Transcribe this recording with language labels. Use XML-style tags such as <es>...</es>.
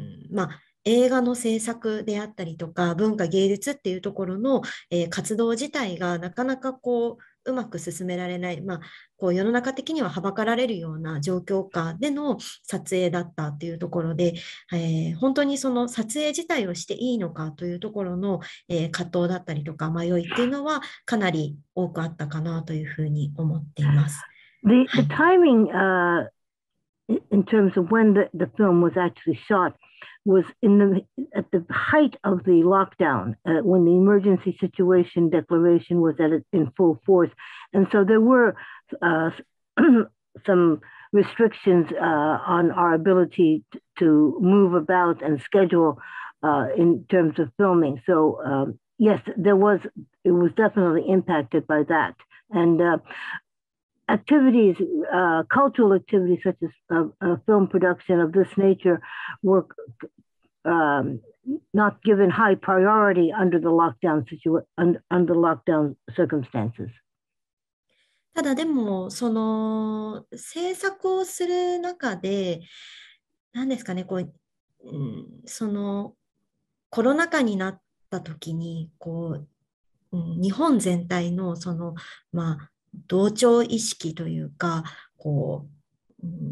<ja>まあ映画の制作であったりとか文化芸術っていうところの、活動自体がなかなかこううまく進められない、まあ、こう世の中的にははばかられるような状況下での撮影だったっていうところで、本当にその撮影自体をしていいのかというところの、葛藤だったりとか迷いっていうのはかなり多くあったかなというふうに思っています。</ja> <en>The timing in terms of when the film was actually shotwas at the height of the lockdown, when the emergency situation declaration was in full force. And so there were some restrictions on our ability to move about and schedule in terms of filming. So yes, it was definitely impacted by that. And activities, cultural activities such as a film production of this nature were not given high priority under the lockdown circumstances.</en> <ja>ただでもその制作をする中で何ですかね、こう、そのコロナ禍になった時にこう日本全体のそのまあ同調意識というかこう、</ja>